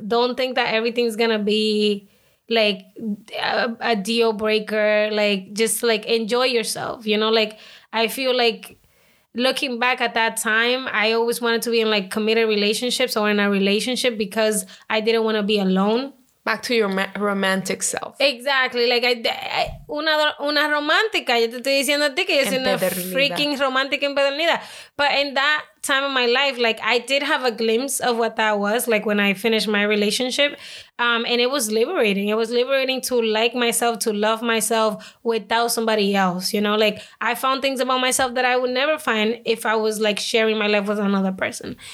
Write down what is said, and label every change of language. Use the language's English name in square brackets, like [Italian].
[English] Don't think that everything's gonna be like a deal breaker. Like, just like enjoy yourself, you know? Like, I feel like looking back at that time, I always wanted to be in like committed relationships or in a relationship because I didn't want to be alone. Back to your romantic self. Exactly. Like, [Spanish] una romántica. Yo te estoy diciendo a ti que yo soy una [English] freaking romantic [Spanish] empedernida. [English] But in that time of my life, like, I did have a glimpse of what that was, like, when I finished my relationship. And it was liberating. It was liberating to like myself, to love myself without somebody else, you know? Like, I found things about myself that I would never find if I was, like, sharing my life with another person.